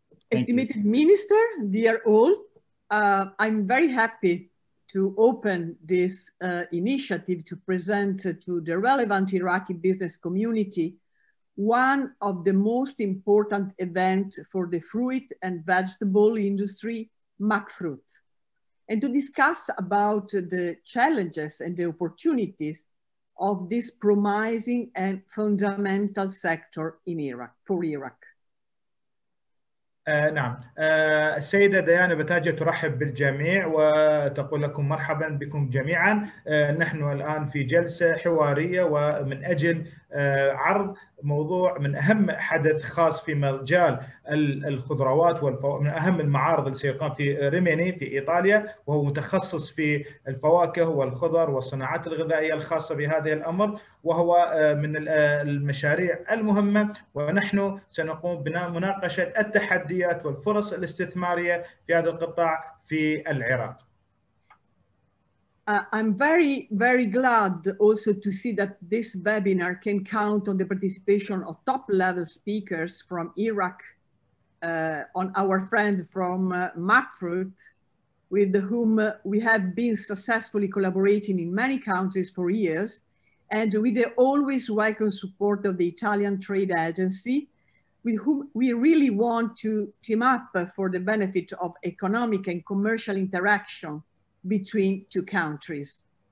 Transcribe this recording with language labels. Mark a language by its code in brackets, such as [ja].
[en] Estimated Minister, dear all, I'm very happy to open this initiative to present to the relevant Iraqi business community one of the most important events for the fruit and vegetable industry, Macfrut. And to discuss about the challenges and the opportunities of this promising and fundamental sector in Iraq, for Iraq. [ar] نعم السيدة ديانا بتاجة ترحب بالجميع وتقول لكم مرحبا بكم جميعا نحن الآن في جلسة حوارية ومن أجل عرض موضوع من أهم حدث خاص في مجال الخضروات من أهم المعارض اللي سيقام في ريميني في إيطاليا وهو متخصص في الفواكه والخضر والصناعات الغذائية الخاصة بهذه الأمر وهو من المشاريع المهمة ونحن سنقوم بمناقشة التحديات والفرص الاستثمارية في هذا القطاع في العراق. [en] I'm very, very glad also to see that this webinar can count on the participation of top level speakers from Iraq, on our friend from Macfrut, with whom we have been successfully collaborating in many countries for years, and with the always welcome support of the Italian Trade Agency, with whom we really want to team up for the benefit of economic and commercial interaction between two countries.